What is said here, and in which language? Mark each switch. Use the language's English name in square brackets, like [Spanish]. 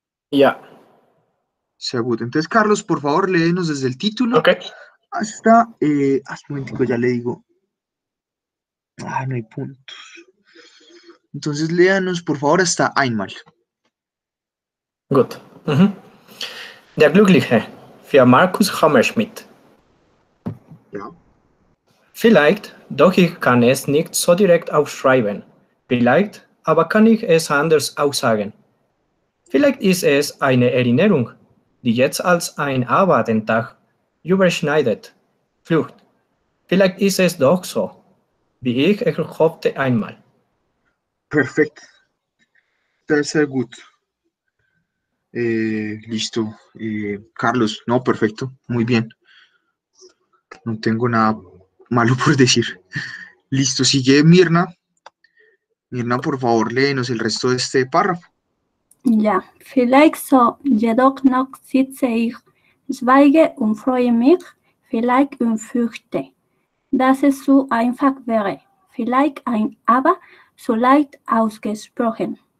[Spanish] Ya. Seguro. Entonces, Carlos, por favor, léenos desde el título. Ok. Hasta, un momentico, ya le digo. No hay puntos. Entonces, léanos, por favor, hasta Einmal. [German] Gut. Der Glückliche, für Markus Hammerschmidt. Ja. Vielleicht, doch ich kann es nicht so direkt aufschreiben. Vielleicht, aber kann ich es anders aussagen. Vielleicht ist es eine Erinnerung, die jetzt als ein Abendtag überschneidet, Flucht. Vielleicht ist es doch so, wie ich es hoffte einmal. Perfekt. Das ist sehr gut. [Spanish] Listo. Carlos, no, perfecto. Muy bien. No tengo nada malo por decir. Listo, sigue Mirna. Mirna, por favor, léenos el resto de este párrafo. [German] Ja, vielleicht so, jedoch noch sitze ich, schweige und freue mich, vielleicht und fürchte, dass es so einfach wäre, vielleicht ein aber so leicht ausgesprochen.